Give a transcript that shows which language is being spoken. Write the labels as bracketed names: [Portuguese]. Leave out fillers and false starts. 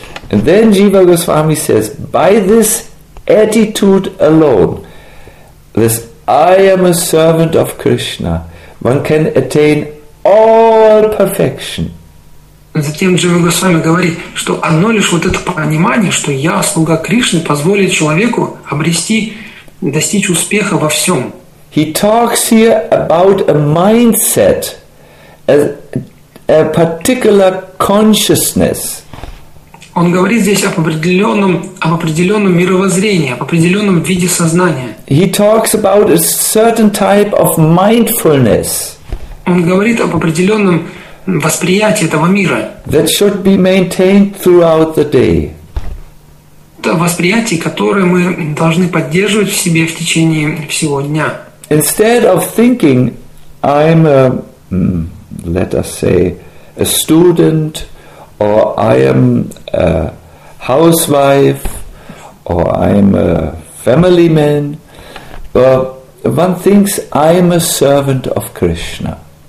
[English] And then Jiva Goswami says, by this attitude alone, this I am a servant of Krishna, one can attain all perfection. [Russian] Затем Jiva Goswami говорит, что одно лишь вот это понимание, что я слуга Кришны, позволит человеку обрести, достичь успеха во всем. [English] He talks here about a mindset, a particular consciousness. [Russian] Он говорит здесь об определенном мировоззрении, об определенном виде сознания. [English] He talks about a certain type of mindfulness. [Russian] Он говорит об определенном восприятии этого мира. [English] That should be maintained throughout the day. [Russian] Это восприятие, которое мы должны поддерживать в себе в течение всего дня. [English] Instead of thinking, I'm a let us say, a student, or I am a housewife, or I am a family man, but one thinks I am a servant of Krishna.